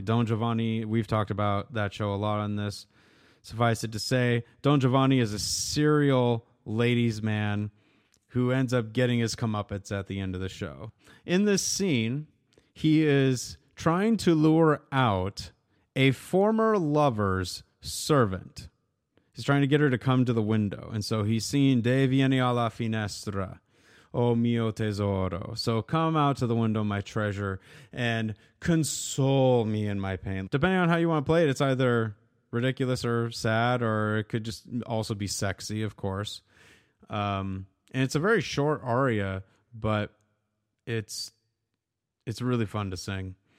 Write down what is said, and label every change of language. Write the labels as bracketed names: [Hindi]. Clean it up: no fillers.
[English] Don Giovanni, we've talked about that show a lot on this. Suffice it to say, Don Giovanni is a serial ladies' man who ends up getting his comeuppance at the end of the show. In this scene, he is trying to lure out a former lover's servant. He's trying to get her to come to the window. And so he's seen, [Italian] De vieni alla finestra, oh mio tesoro. [English] So come out to the window, my treasure, and console me in my pain. Depending on how you want to play it, it's either ridiculous or sad, or it could just also be sexy, of course. And it's a very short aria, but it's really fun to sing.